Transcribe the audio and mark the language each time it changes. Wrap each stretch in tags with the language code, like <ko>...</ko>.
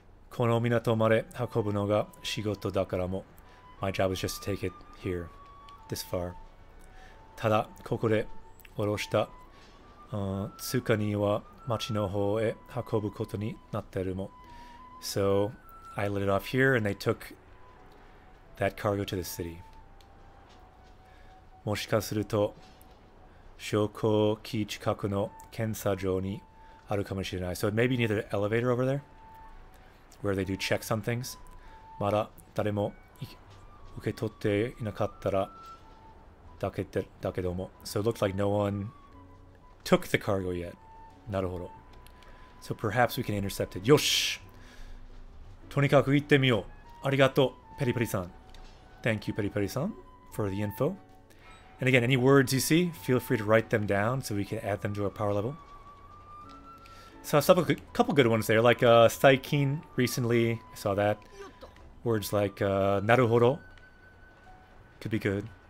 <ja>この港まで運ぶのが仕事だからも。</ja> <en>My job is just to take it here, this far.</en> <ja>ただここで降ろした通貨には町の方へ運ぶことになってるも。</ja> <en>So I let it off here and they took that cargo to the city.</en> <ja>もしかすると昇降機近くの検査場にあるかもしれない。</ja> <en>So it may be near the elevator over there, where they do checks on things.</en> <ja>まだ誰も受け取っていなかったらだけども。</ja> <en>So it looks like no one took the cargo yet. なるほど。 So perhaps we can intercept it. よし。</en> <ja>とにかく行ってみよう。ありがとう、ペリペリさん。</ja> <en>Thank you, ペリペリさん, for the info. And again, any words you see, feel free to write them down so we can add them to our power level. So I saw a couple good ones there, like Saikin recently, I saw that. Words like Naruhodo could be good.</en>